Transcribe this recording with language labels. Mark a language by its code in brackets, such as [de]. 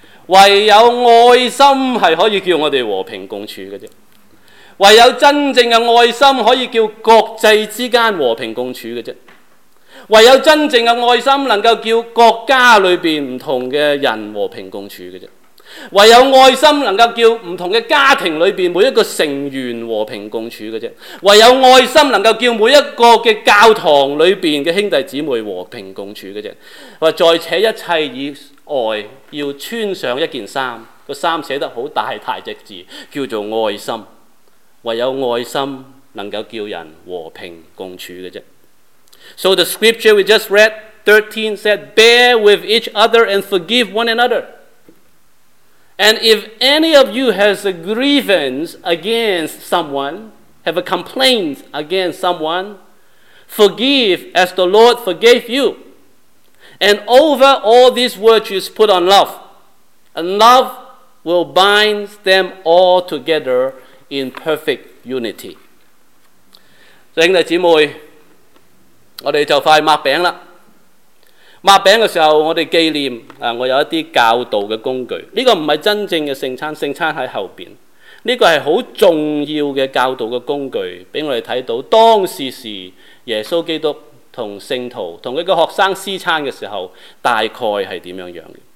[zh] 唯有爱心是可以叫我们和平共处的，唯有真正的爱心可以叫国际之间和平共处的，唯有真正的爱心能够叫国家里面不同的人和平共处的，唯有爱心能够叫不同的家庭里面每一个成员和平共处的，唯有爱心能够叫每一个的教堂里面的兄弟姊妹和平共处的。在且一切以爱要穿上一件衫，个衫写得很大大只字叫做爱心，唯有爱心能够叫人和平共处的。 [en] So the scripture we just read 13 said, bear with each other and forgive one another. And if any of you has a grievance against someone, have a complaint against someone, forgive as the Lord forgave you. And over all these virtues put on love, and love will bind them all together in perfect unity. [zh] 兄弟姊妹，我们就快抹饼了。抹饼的时候我们纪念，我有一些教导的工具，这个不是真正的圣餐，圣餐在后面，这个是很重要的教导的工具，让我们看到当时是耶稣基督和圣徒和他的学生施餐的时候大概是怎样的。